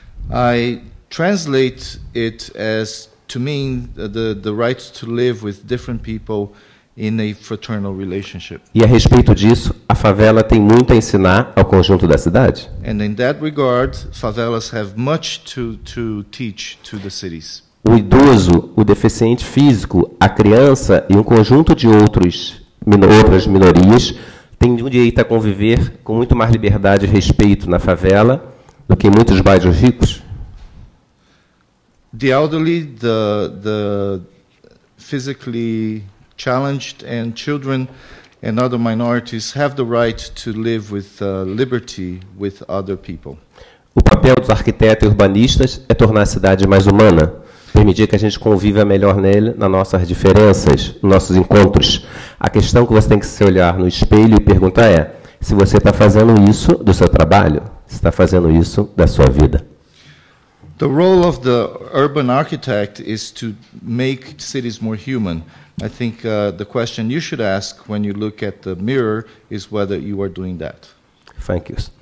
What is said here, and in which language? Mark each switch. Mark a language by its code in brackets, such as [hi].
[en] I translate it as to mean the right to live with different people in a fraternal relationship. [pt] E a respeito disso, a favela tem muito a ensinar ao conjunto da cidade. [en] And in that regard, favelas have much to teach to the cities. [pt] o idoso, o deficiente físico, a criança e um conjunto de outras minorias têm o direito a conviver com muito mais liberdade e respeito na favela do que em muitos bairros ricos? [en] The elderly, the physically challenged and children and other minorities have the right to live with liberty with other people. [pt] O papel dos arquitetos e urbanistas é tornar a cidade mais humana, permitir que a gente conviva melhor nele, nas nossas diferenças, nos nossos encontros. A questão que você tem que se olhar no espelho e perguntar é se você está fazendo isso do seu trabalho, se está fazendo isso da sua vida. [en] The role of the urban architect is to make cities more human. I think the question you should ask when you look at the mirror is whether you are doing that. Thank you.